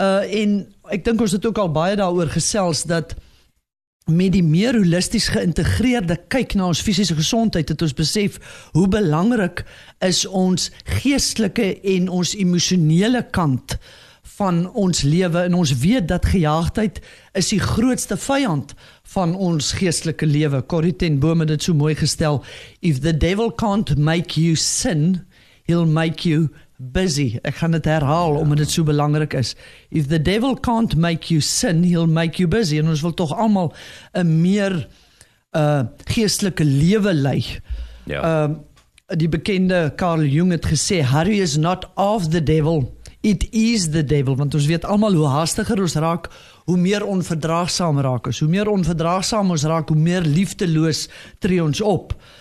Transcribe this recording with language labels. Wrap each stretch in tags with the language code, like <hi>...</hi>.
<af>En ek dink ons het ook al baie daaroor gesels dat met die meer holisties geïntegreerde kyk na ons fisiese gesondheid het ons besef hoe belangrik is ons geestelike en ons emosionele kant van ons lewe, en ons weet dat gejaagdheid is die grootste vyand van ons geestelike lewe.</af> <en>Corrie ten Boom</en> <af>het dit so mooi gestel,</af> <en>if the devil can't make you sin, he'll make you busy.</en> <af>Ek gaan dit herhaal, omdat dit so belangrik is.</af> <en>If the devil can't make you sin, he'll make you busy.</en> <af>En ons wil toch allemaal een meer geestelike lewe lei. Ja. Die bekende</af> <en>Carl Jung</en> <af>het gesê,</af> <en>hurry is not of the devil, it is the devil.</en> <af>Want ons weet allemaal hoe haastiger ons raak, hoe meer onverdraagsaam raak ons. Hoe meer onverdraagsaam ons raak, hoe meer liefdeloos tree ons op.</af>